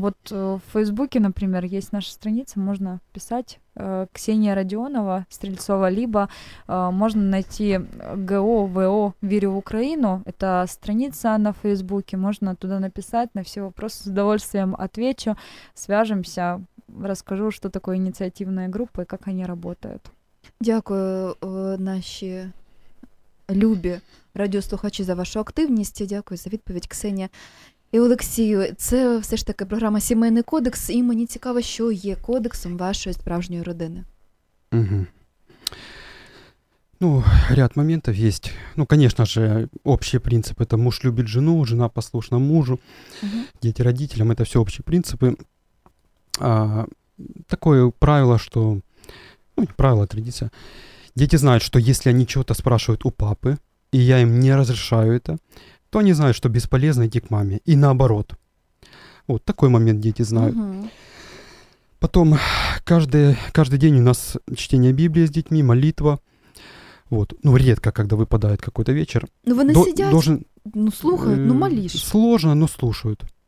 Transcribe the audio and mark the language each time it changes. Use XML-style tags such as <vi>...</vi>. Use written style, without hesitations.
<ru>Вот в Фейсбуке, например, есть наша страница, можно писать Ксения Родионова, Стрельцова, либо можно найти ГОВО «Верю в Украину». Это страница на Фейсбуке, можно туда написать, на все вопросы с удовольствием отвечу, свяжемся, расскажу, что такое инициативная группа и как они работают.</ru> <uk>Дякую, наши любі радіослухачі, за вашу активність. Дякую за відповідь, Ксенія. І Олексію, це все ж таки програма «Сімейний кодекс», і мені цікаво, що є кодексом вашої справжньої родини. Угу. Ну, ряд моментів є. Ну, звісно ж, общі принципи – це</uk> <ru>муж любить жену, жена послушна мужу,</ru> <uk>угу. Діти – родителям – це все общі принципи. Таке правило, що… Ну, правило, традиція. Діти знають, що якщо вони чого-то спрашують у папи, і я їм не розрішаю це,</uk> <ru>то они знают, что бесполезно идти к маме. И наоборот. Вот такой момент дети знают. Угу. Потом каждый день у нас чтение Библии с детьми, молитва. Вот. Ну, редко, когда выпадает какой-то вечер. Но вы не сидят, ну, слушают, ну, молишь. Сложно, но слушают.</ru>